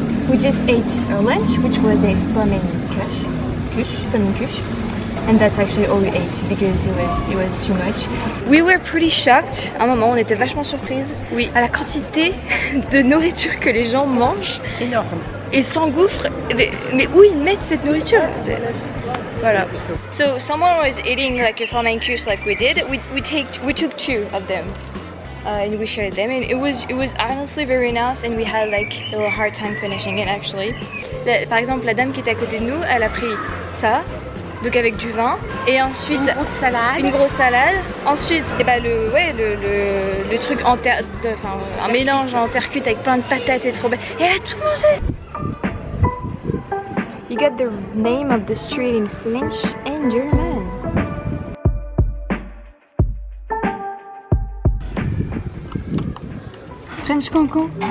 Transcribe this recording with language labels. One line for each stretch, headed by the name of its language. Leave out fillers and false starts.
English: We just ate our lunch, which was a Flammenkuche. And that's actually all we ate because it was too much. We were pretty shocked.
French: À un moment, on était vachement surprise. Oui. À la quantité de nourriture que les gens mangent. Énorme. Et s'engouffrent. Mais où ils mettent cette nourriture? Voilà.
English: So someone was eating like a Flammenkuche like we did. We took two of them. And we shared them, and it was honestly very nice, and we had like a little hard time finishing it actually.
French: Par exemple, la dame qui était à côté de nous, elle a pris ça, donc avec du vin, et ensuite une grosse salade. Ensuite, et bah le truc en terre, enfin un mélange en terre cuite avec plein de patates et trop belle. Et elle a tout mangé.
English: You got the name of the street in French and German. French cancan.